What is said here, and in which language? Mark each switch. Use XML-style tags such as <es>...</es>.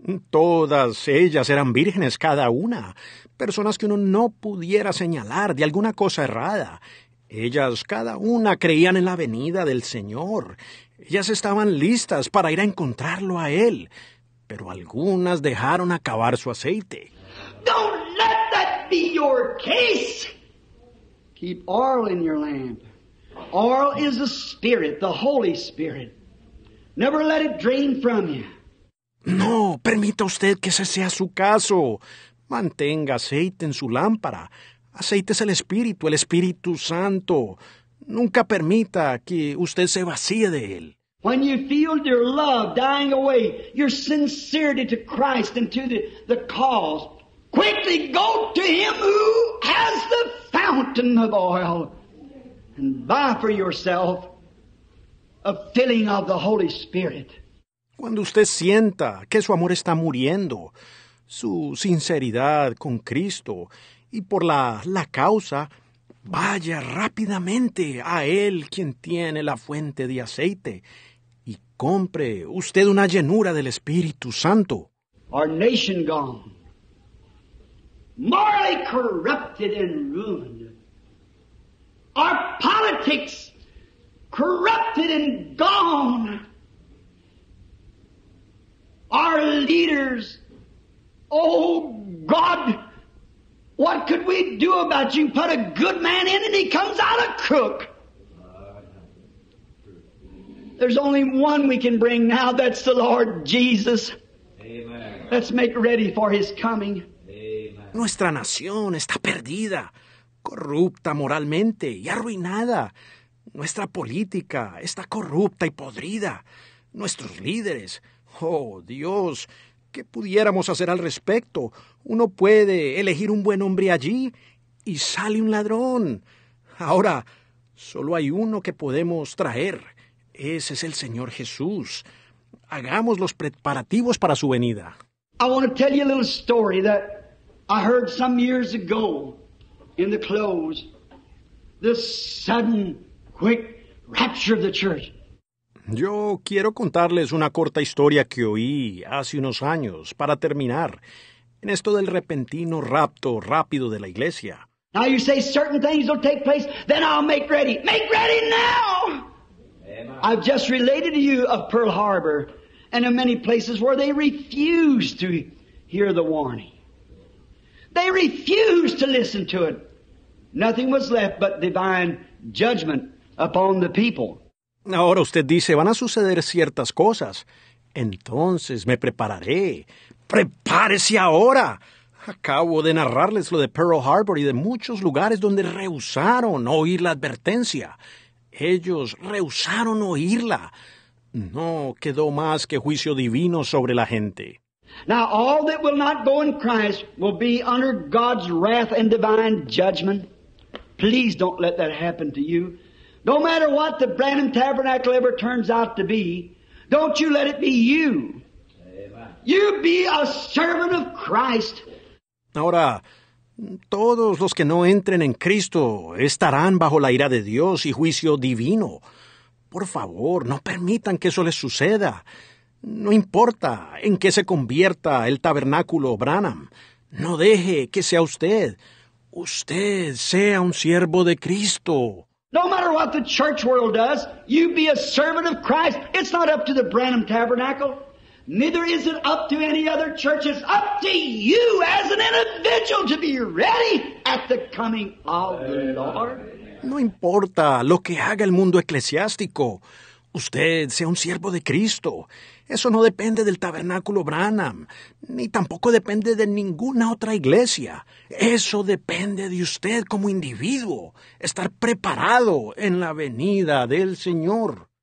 <es>Todas ellas eran vírgenes, cada una. Personas que uno no pudiera señalar de alguna cosa errada. Ellas, cada una, creían en la venida del Señor. Ellas estaban listas para ir a encontrarlo a Él. Pero algunas dejaron acabar su aceite.</es> <en>Don't let that be your case. Keep oil in your lamp. Oil is the Spirit, the Holy Spirit. Never let it drain from you.</en> <es>No, permita usted que ese sea su caso. Mantenga aceite en su lámpara. Aceite es el Espíritu Santo. Nunca permita que usted se vacíe de él.</es> <en>When you feel your love dying away, your sincerity to Christ and to the cause, quickly go to Him who has the fountain of oil and buy for yourself a filling of the Holy Spirit.</en> <es>Cuando usted sienta que su amor está muriendo, su sinceridad con Cristo y por la causa, Vaya rápidamente a él quien tiene la fuente de aceite y compre usted una llenura del Espíritu Santo.</es> <en>Our nation gone, morally corrupted and ruined. Our politics corrupted and gone. Our leaders, oh God, what could we do about you? Put a good man in and he comes out a crook. There's only one we can bring now, that's the Lord Jesus. Amen. Let's make ready for his coming. Amen.</en> <es>Nuestra nación está perdida, corrupta moralmente y arruinada. Nuestra política está corrupta y podrida. Nuestros líderes, oh Dios, ¿qué pudiéramos hacer al respecto? Uno puede elegir un buen hombre allí y sale un ladrón. Ahora, solo hay uno que podemos traer. Ese es el Señor Jesús. Hagamos los preparativos para su venida.</es> <en>I want to tell you a little story that I heard some years ago in the close. The sudden, quick rapture of the church.</en> <es>Yo quiero contarles una corta historia que oí hace unos años para terminar en esto del repentino rapto rápido de la iglesia.</es> <en>Now you say certain things will take place, then I'll make ready. Make ready now! I've just related to you of Pearl Harbor and of many places where they refuse to hear the warning. They refuse to listen to it. Nothing was left but divine judgment upon the people.</en> <es>Ahora usted dice, van a suceder ciertas cosas. Entonces me prepararé. ¡Prepárese ahora! Acabo de narrarles lo de Pearl Harbor y de muchos lugares donde rehusaron oír la advertencia. Ellos rehusaron oírla. No quedó más que juicio divino sobre la gente.</es> <en>Now all that will not go in Christ will be under God's wrath and divine judgment. Please don't let that happen to you. No matter what the Branham Tabernacle ever turns out to be, don't you let it be you. Amen. You be a servant of Christ.</en> <es>Ahora, todos los que no entren en Cristo estarán bajo la ira de Dios y juicio divino. Por favor, no permitan que eso les suceda. No importa en qué se convierta el tabernáculo Branham. No deje que sea usted. Usted sea un siervo de Cristo.</es> <en>No matter what the church world does, you be a servant of Christ. It's not up to the Branham Tabernacle. Neither is it up to any other church. It's up to you as an individual to be ready at the coming of the Lord.</en> <es>No importa lo que haga el mundo eclesiástico. Usted sea un siervo de Cristo. Eso no depende del tabernáculo Branham, ni tampoco depende de ninguna otra iglesia. Eso depende de usted como individuo, estar preparado en la venida del Señor.</es>